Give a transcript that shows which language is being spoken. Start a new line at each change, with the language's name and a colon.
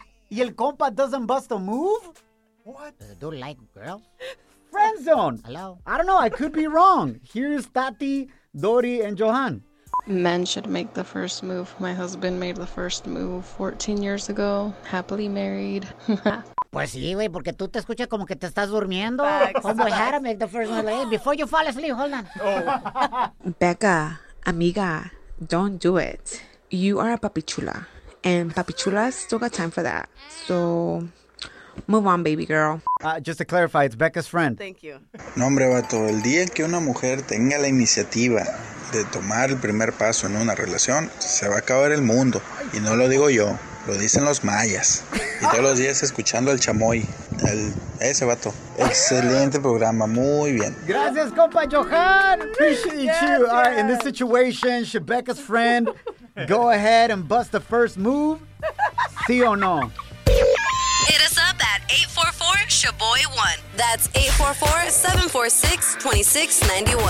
Spanish: Y el compa
English: doesn't bust a move? What? Does the dude like girls? Friend zone. Hello? I don't know. I could be wrong. Here's Tati, Dori, and Johan. Men should make the first move. My husband made the first move 14 years ago. Happily married.
Spanish: Pues sí, güey, porque tú te escuchas como que te estás durmiendo.
English: Oh, boy, how to make the first move. Before you fall asleep, hold on. Oh. Becca, amiga, don't do it. You are a papichula. And papichulas still got time for that. So, move on, baby girl. Just to clarify, it's Becca's friend. Thank you.
Spanish: No, hombre, vato. El día que una mujer tenga la iniciativa de tomar el primer paso en una relación, se va a acabar el mundo. Y no lo digo yo, lo dicen los mayas. Y todos los días escuchando al chamoy, ese vato. Excelente programa, muy bien. Gracias, compa Johan.
English: Appreciate you. All right, in this situation, she Becca's friend. Go ahead and bust the first move.
Spanish: Sí o no?
English: Hit us up at 844-SHABOY1. That's 844-746-2691.